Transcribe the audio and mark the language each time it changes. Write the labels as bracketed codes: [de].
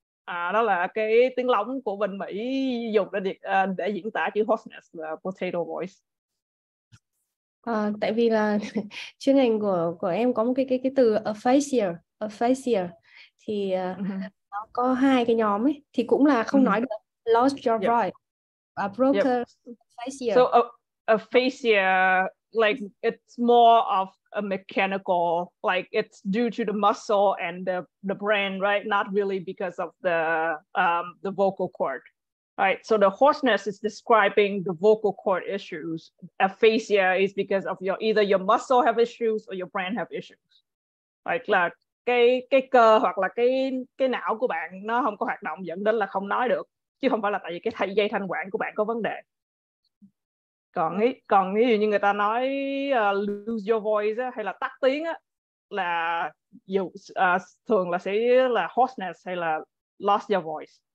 [vi] Đó là cái tiếng lóng của bên Mỹ dùng để diễn tả chữ hoarseness là [en] potato voice. [vi] Tại vì là chuyên ngành của em có một cái từ aphasia thì nó có hai cái nhóm ấy thì cũng là không nói được [en] lost your voice. Aphasia. So aphasia like it's more of a mechanical, like it's due to the muscle and the brain, right? Not really because of the vocal cord. Right, so the hoarseness is describing the vocal cord issues. Aphasia is because of either your muscle have issues or your brain have issues. [vi] Right, là cái cơ hoặc là cái não của bạn nó không có hoạt động dẫn đến là không nói được, chứ không phải là tại vì cái dây thanh quản của bạn có vấn đề. Còn ví dụ như người ta nói [en] lose your voice [vi] hay là tắt tiếng á, là thường là sẽ là hoarseness hay là [en] lost your voice.